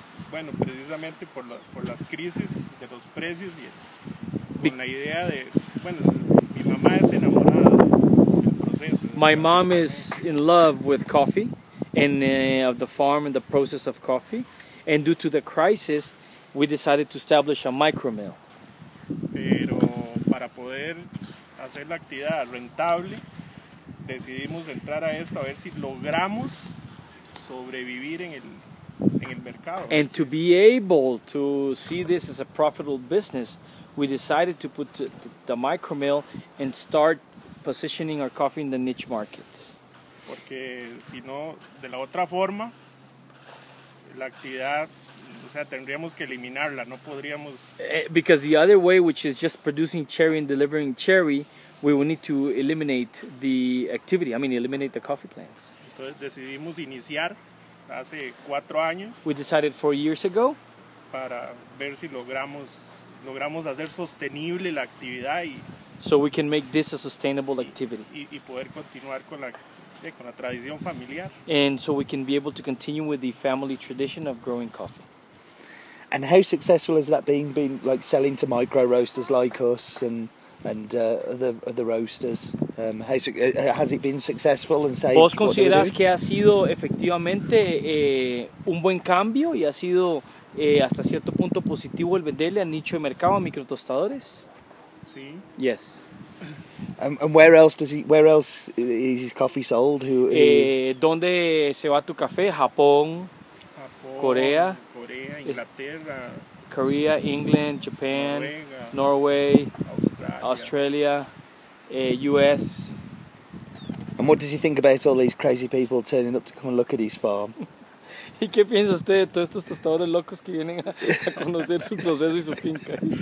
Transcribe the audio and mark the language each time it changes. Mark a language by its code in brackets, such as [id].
[es] Bueno, precisamente por las crisis de los precios y con la idea de, bueno, mi mamá es enamorada del proceso. [en] My mom is in love with coffee and of the farm and the process of coffee, and due to the crisis we decided to establish a micro mill. [es] Pero para poder hacer la actividad rentable decidimos entrar a esto a ver si logramos sobrevivir en el mercado. [en] And to be able to see this as a profitable business, we decided to put the micro mill and start positioning our coffee in the niche markets. [es] Porque si no, de la otra forma, la actividad, o sea, tendríamos que eliminarla, no podríamos. [en] Because the other way, which is just producing cherry and delivering cherry, we will need to eliminate the activity, I mean, eliminate the coffee plants. [es] Entonces decidimos iniciar. Hace 4 años. [en] We decided 4 years ago. [es] Para ver si logramos hacer sostenible la actividad y. [en] So we can make this a sustainable activity. [es] Y poder continuar con la tradición familiar. [en] And so we can be able to continue with the family tradition of growing coffee. And how successful has that been like selling to micro roasters like us and other roasters? Has it been successful and saved? [es] ¿Vos considerás que ha sido efectivamente un buen cambio y ha sido hasta cierto punto positivo el venderle a nicho de mercado a microtostadores? Sí. [en] Yes. And where else is his coffee sold? [es] ¿Dónde se va tu café? Japón, Corea. Corea, Inglaterra. [en] Korea, England, Japan, [es] Noruega, [en] Norway, Australia. US. And what does he think about all these crazy people turning up to come and look at his farm? [es] ¿Y qué piensa usted de todos estos tostadores locos que vienen a conocer su proceso y su finca?